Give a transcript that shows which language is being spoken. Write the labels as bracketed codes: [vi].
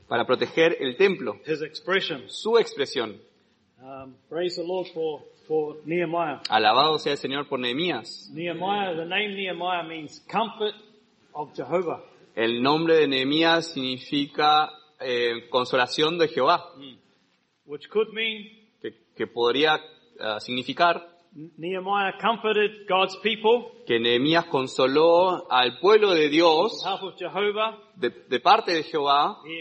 [es] para proteger el templo, [en] his expression, [es] su expresión. [en] Praise the Lord for Nehemiah. [es] Alabado sea el Señor por Nehemías. [en] Nehemiah, the name Nehemiah means comfort of Jehovah. [es] El nombre de Nehemías significa consolación de Jehová. [en] Which could mean [es] que podría significar [en] Nehemiah comforted God's people, [es] que Nehemías consoló al pueblo de Dios de parte de Jehová.